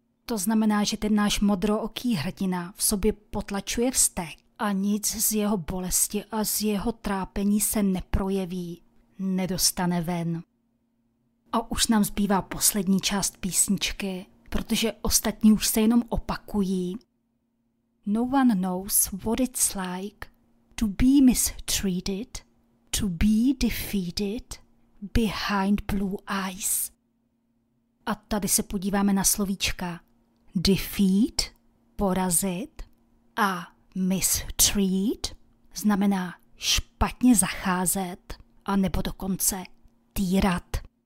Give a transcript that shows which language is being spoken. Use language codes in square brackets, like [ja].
[cs] To znamená, že ten náš modrooký hrdina v sobě potlačuje vztek a nic z jeho bolesti a z jeho trápení se neprojeví, nedostane ven. A už nám zbývá poslední část písničky, protože ostatní už se jenom opakují. [en] No one knows what it's like to be mistreated, to be defeated behind blue eyes. [cs] A tady se podíváme na slovíčka defeat, porazit, a mistreat znamená špatně zacházet a nebo dokonce týrat.